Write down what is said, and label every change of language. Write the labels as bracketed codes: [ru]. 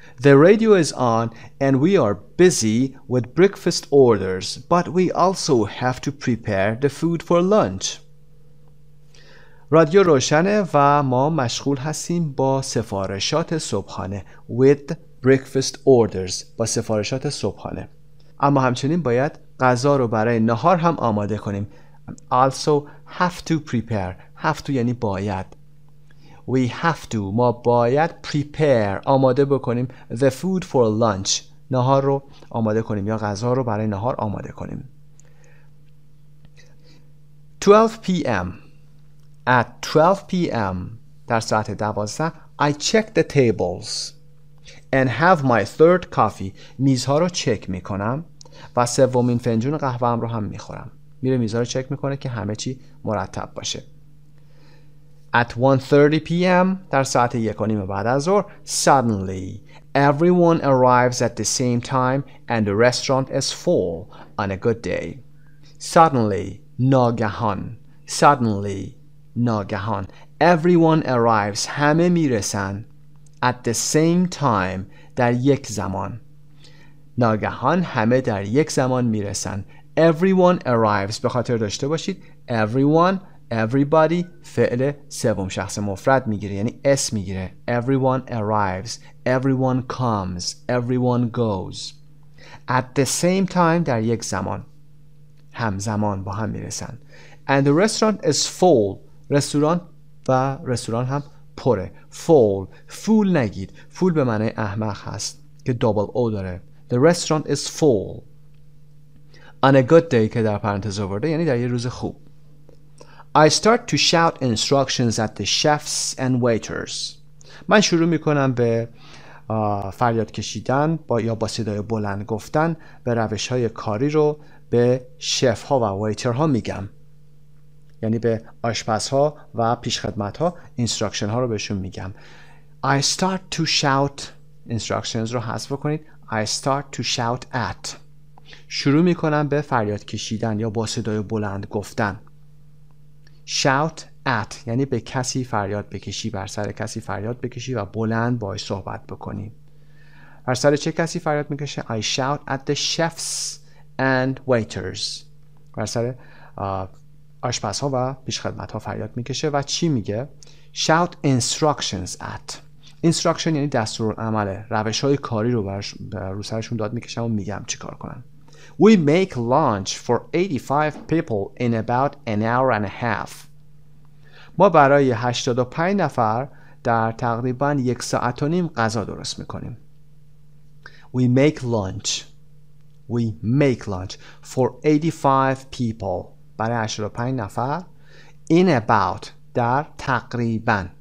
[en] The radio is on and we are busy with breakfast orders, but we also have to prepare the food for lunch. [fa] رادیو روشنه و ما مشغول هستیم با سفارشات صبحانه، [en] with breakfast orders، [fa] با سفارشات صبحانه. اما همچنین باید غذا رو برای نهار هم آماده کنیم. [en] Also have to prepare. Have to [fa] یعنی باید. [en] We have to، [fa] ما باید prepare، آماده بکنیم، [en] the food for lunch، [fa] نهار رو آماده کنیم یا غذا رو برای نهار آماده کنیم. [en] 12 p.m. At 12 p.m. [fa] در ساعت 12 [en] I check the tables and have my third coffee. [fa] میزها رو چک میکنم و سومین فنجون قهوه ام رو هم میخورم. میره میزها رو چک میکنه که همه چی مرتب باشه. [en] At 1:30 p.m. [fa] در ساعت 1:30 بعد از ظهر [en] suddenly everyone arrives at the same time and the restaurant is full on a good day. Suddenly [fa] ناگهان. Suddenly ناگهان. [en] Everyone arrives، [fa] همه میرسن. [en] At the same time، [fa] در یک زمان. ناگهان همه در یک زمان میرسن. [en] Everyone arrives، [fa] به خاطر داشته باشید everyone، everybody فعل سوم شخص مفرد میگیره، یعنی اسم میگیره. [en] Everyone arrives، everyone comes، everyone goes. At the same time، [fa] در یک زمان، همزمان با هم میرسن. [en] And the restaurant is full، [fa] رستوران و رستوران هم پره. Full، فول نگید، فول به معنی احمق هست که دابل او داره. [en] The restaurant is full on a good day، [fa] که در پرانتز آورده یعنی در یه روز خوب. [en] I start to shout instructions at the chefs and waiters. [fa] من شروع میکنم به فریاد کشیدن با یا با صدای بلند گفتن به روش های کاری رو به شف ها و ویتر ها میگم، یعنی به آشپز ها و پیش خدمت ها اینستراکشن ها رو بهشون میگم. [en] I start to shout، [fa] اینستراکشنز رو حذف کنید، [en] I start to shout at، [fa] شروع میکنم به فریاد کشیدن یا با صدای بلند گفتن. Shout at یعنی به کسی فریاد بکشی، بر سر کسی فریاد بکشی و بلند باهاش صحبت بکنی. از سر چه کسی فریاد میکشه؟ [en] I shout at the chefs and waiters. [fa] از سر آشپزها و پیشخدمتها فریاد میکشه و چی میگه؟ [en] Shout instructions at. [fa] Instruction یعنی دستورالعمل. روشهای کاری رو رو سرشون داد میکشم و میگم چی کار کنن. [en] We make lunch for 85 people in about an hour and a half. [fa] ما برای 85 نفر در تقریبا یک ساعت و نیم غذا درست میکنیم. [en] We make lunch. We make lunch for 85 people. [fa] برای 85 نفر [en] in about [fa] در تقریبا.